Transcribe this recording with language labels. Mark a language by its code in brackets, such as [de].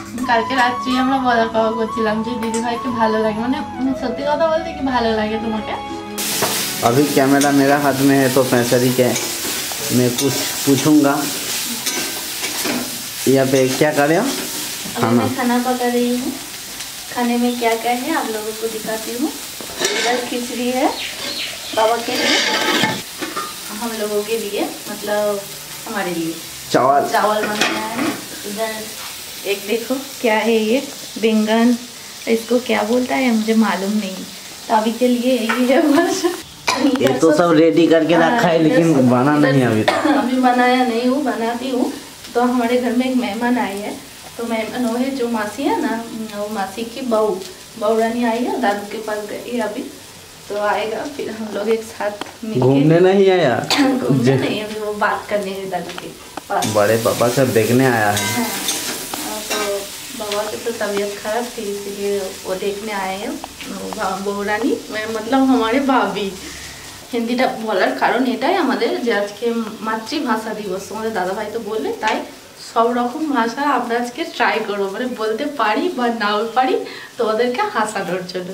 [bn] কালকে রাত্রি আমরা বলা কওয়া করছিলাম যে দিদি ভাইকে ভালো লাগে, মানে সত্যি কথা বলতে কি ভালো লাগে তোমাকে? [hi] अभी कैमरा मेरा हाथ में है तो फैसरी के मैं कुछ पूछूंगा। यहाँ पे क्या कर रहे हो? खाना खाना पका रही हूँ। खाने में क्या क्या है आप लोगों को दिखाती हूँ। इधर खिचड़ी है बाबा के लिए, हम लोगों के लिए, मतलब हमारे लिए चावल चावल बनाया है। इधर एक देखो क्या है, ये बैंगन, इसको क्या बोलता है मुझे मालूम नहीं, तभी के लिए ये है बस। ये तो सब रेडी करके रखा है लेकिन बना नहीं अभी, अभी बनाया नहीं हूँ, बनाती हूँ। तो हमारे घर में एक मेहमान आई है, तो मेहमान है जो मासी है ना, वो मासी की बहू, बहू रानी आई है, दादू के पास गई है अभी, तो आएगा फिर हम लोग एक साथ मिलके। घूमने नहीं आया? घूमने नहीं, अभी वो बात करने है दादू के पास। बड़े पापा से देखने आया है? तो बाबा की तो तबीयत खराब थी इसलिए वो देखने आए हैं। [bn] বৌ রানী মানে মতলব আমার ভাবি, হিন্দিটা বলার কারণ এটাই আমাদের যে আজকে মাতৃভাষা দিবস, তোমাদের দাদাভাই তো বললে, তাই সব রকম ভাষা আমরা আজকে ট্রাই করবো, মানে বলতে পারি বা নাও পারি তোমাদেরকে হাসানোর জন্য।